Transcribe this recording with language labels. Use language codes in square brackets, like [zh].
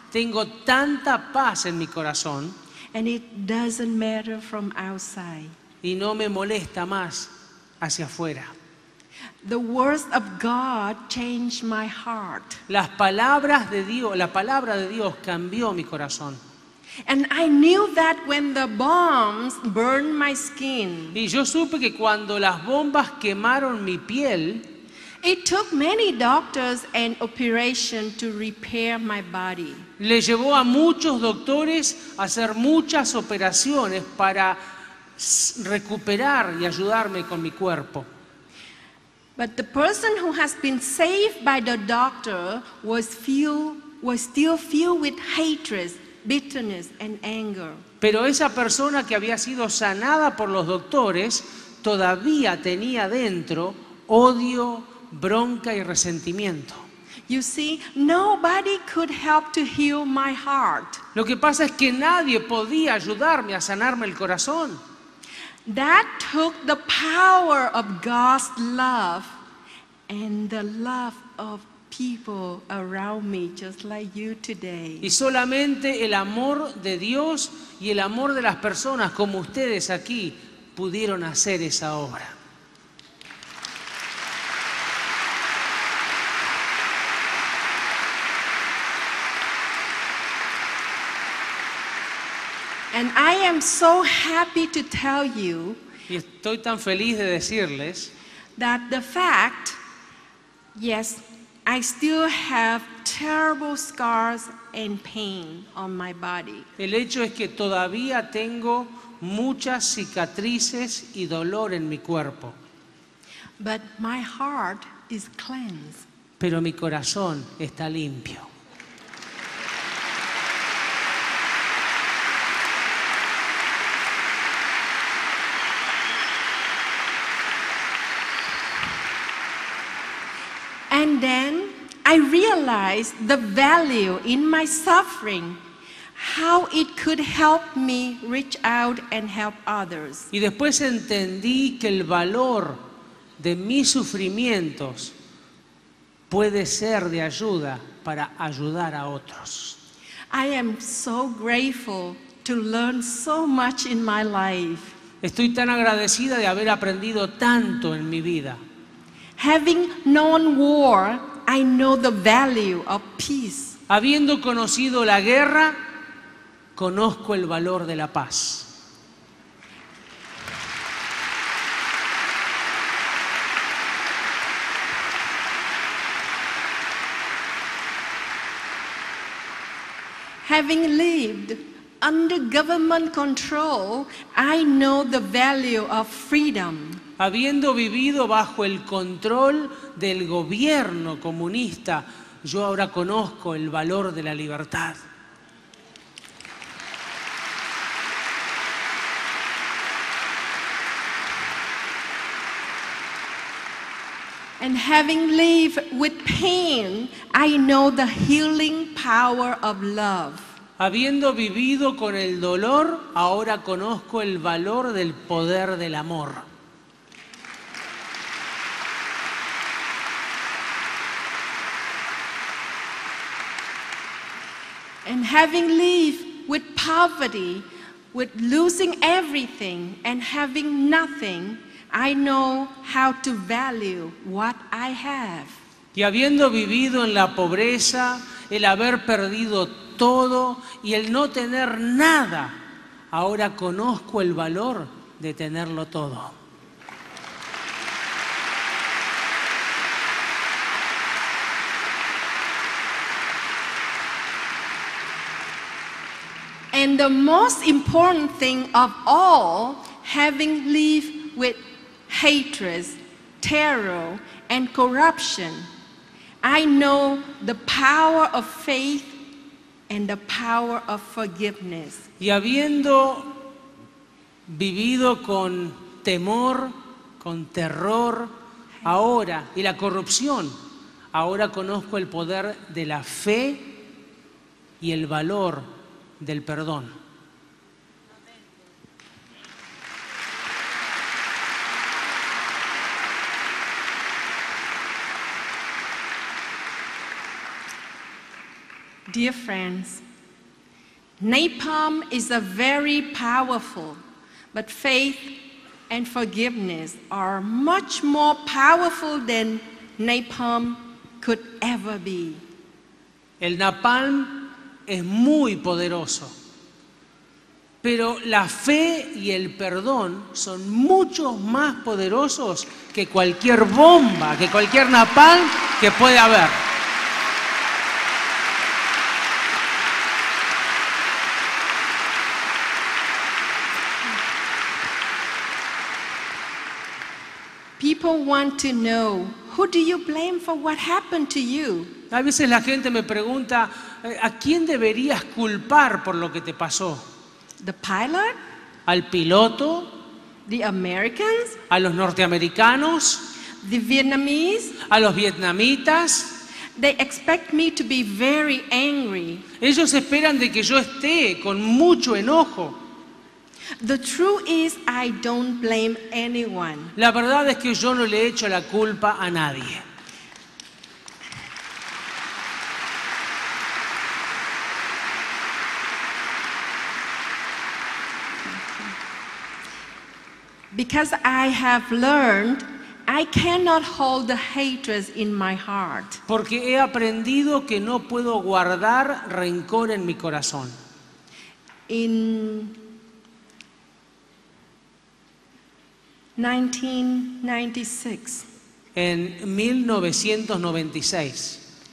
[es] Tengo tanta paz en mi corazón. [en] And it doesn't matter from outside. [es] Y no me molesta más hacia afuera. [en] The words of God changed my heart. [es] Las palabras de Dios, la palabra de Dios cambió mi corazón. [en] And I knew that when the bombs burned my skin. [es] Y yo supe que cuando las bombas quemaron mi piel, [en] it took many doctors and operations to repair my body. [es] Le llevó a muchos doctores a hacer muchas operaciones para recuperar y ayudarme con mi cuerpo. [en] But the person who has been saved by the doctor was still filled with hatred, bitterness and anger. [es] Pero esa persona que había sido sanada por los doctores todavía tenía dentro odio, bronca y resentimiento. [en] You see, nobody could help to heal my heart. [es] Lo que pasa es que nadie podía ayudarme a sanarme el corazón. [en] That took the power of God's love and the love of people around me, just like you today. [es] Y solamente el amor de Dios y el amor de las personas como ustedes aquí pudieron hacer esa obra. [en] And I am so happy to tell you. [es] Y estoy tan feliz de decirles [en] that the fact, yes, I still have terrible scars and pain on my body. [es] El hecho es que todavía tengo muchas cicatrices y dolor en mi cuerpo. [en] But my heart is cleansed. [es] Pero mi corazón está limpio. [en] And then I realized the value in my suffering, how it could help me reach out and help others. [es] Y después entendí que el valor de mis sufrimientos puede ser de ayuda para ayudar a otros. [en] I am so grateful to learn so much in my life. [es] Estoy tan agradecida de haber aprendido tanto en mi vida. [en] Having known war, I know the value of peace. [es] Habiendo conocido la guerra, conozco el valor de la paz. [en] Having lived under government control, I know the value of freedom. [es] Habiendo vivido bajo el control del gobierno comunista, yo ahora conozco el valor de la libertad. [en] And having lived with pain, I know the healing power of love. [es] Habiendo vivido con el dolor, ahora conozco el valor del poder del amor. [en] And having lived with poverty, with losing everything and having nothing, I know how to value what I have. [es] Y habiendo vivido en la pobreza, el haber perdido todo y el no tener nada, ahora conozco el valor de tenerlo todo. [en] And the most important thing of all, having lived with hatred, terror, and corruption, I know the power of faith and the power of forgiveness. [es] Y habiendo vivido con temor, con terror, ahora, y la corrupción, ahora conozco el poder de la fe y el valor del perdón. [en] Dear friends, napalm is a very powerful, but faith and forgiveness are much more powerful than napalm could ever be. [es] El napalm es muy poderoso, pero la fe y el perdón son mucho más poderosos que cualquier bomba, que cualquier napalm que pueda haber. [en] People want to know, who do you blame for what happened to you? [es] A veces la gente me pregunta, ¿a quién deberías culpar por lo que te pasó? [en] The pilot? [es] ¿Al piloto? [en] The Americans? [es] ¿A los norteamericanos? [en] The Vietnamese? [es] ¿A los vietnamitas? [en] They expect me to be very angry. [es] Ellos esperan de que yo esté con mucho enojo. [en] The truth is I don't blame anyone. [es] La verdad es que yo no le echo la culpa a nadie. [en] Because I have learned I cannot hold the hatred in my heart. [es] Porque he aprendido que no puedo guardar rencor en mi corazón. [en] In 1996. [es] En 1996.